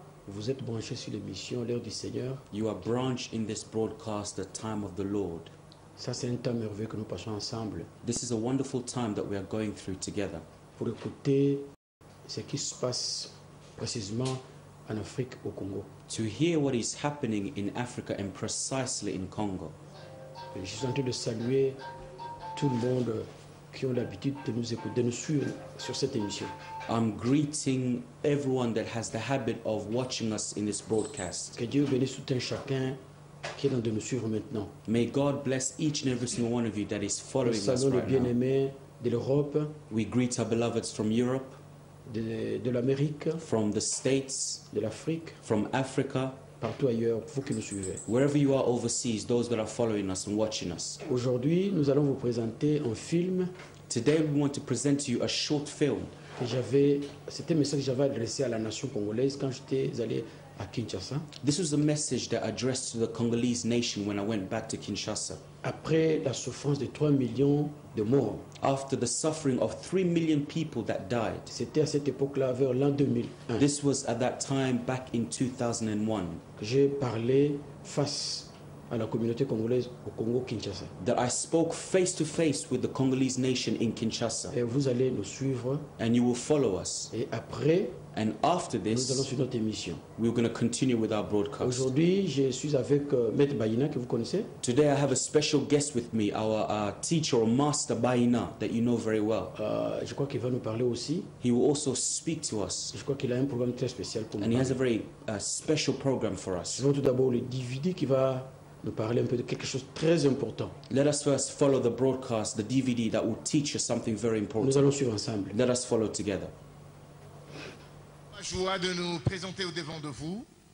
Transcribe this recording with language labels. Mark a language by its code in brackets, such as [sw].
[fr] Vous êtes branché sur l'émission l'heure du Seigneur. [en] You are branched in this broadcast, the time of the Lord. [fr] Ça c'est un temps merveilleux que nous passons ensemble. [en] This is a wonderful time that we are going through together. [fr] Pour écouter ce qui se passe précisément en Afrique au Congo. [en] To hear what is happening in Africa and precisely in Congo. [fr] Et je suis en train de saluer tout le monde qui ont l'habitude de nous écouter, de nous suivre sur cette émission. [en] I'm greeting everyone that has the habit of watching us in this broadcast. [fr] Que Dieu bénisse tout un chacun qui est en train de nous suivre maintenant. [en] May God bless each and every single one of you that is following us right now. [fr] Nous saluons les bien-aimés de l'Europe. [en] We greet our beloveds from Europe. [fr] De l'Amérique. [en] From the States. [fr] De l'Afrique. [en] From Africa. [fr] Partout ailleurs, vous qui nous suivez. [en] Wherever you are overseas, those that are following us and watching us. [fr] Aujourd'hui, nous allons vous présenter un film. [en] Today we want to present to you a short film. [fr] C'était un message que j'avais adressé à la nation congolaise quand j'étais allé à Kinshasa. [en] This was a message that I addressed to the Congolese nation when I went back to Kinshasa. [fr] Après la souffrance de 3 millions de morts. [en] After the suffering of 3 million people that died. [fr] C'était à cette époque-là vers l'an 2001. [en] This was at that time back in 2001. [fr] J'ai parlé face à la communauté congolaise au Congo Kinshasa. [en] That I spoke face to face with the Congolese nation in Kinshasa. [fr] Et vous allez nous suivre. [en] And you will follow us. [fr] Et après. [en] And after this, [fr] nous allons sur notre émission. [en] We're going to continue with our broadcast. [fr] Aujourd'hui, je suis avec Maître Baina que vous connaissez. [en] Today I have a special guest with me, our teacher or master Baina that you know very well. [fr] Je crois qu'il va nous parler aussi. [en] He will also speak to us. [fr] Je crois qu'il a un programme très spécial pour nous. [en] And he has a very special program for us. [fr] Je vais tout d'abord le DVD qui va nous parler un peu de quelque chose de très important. [en] Let us first follow the broadcast, the DVD that will teach us something very important. [fr] Nous allons suivre ensemble. [en] Let us follow together. [fr] Joie de nous présenter au devant de vous.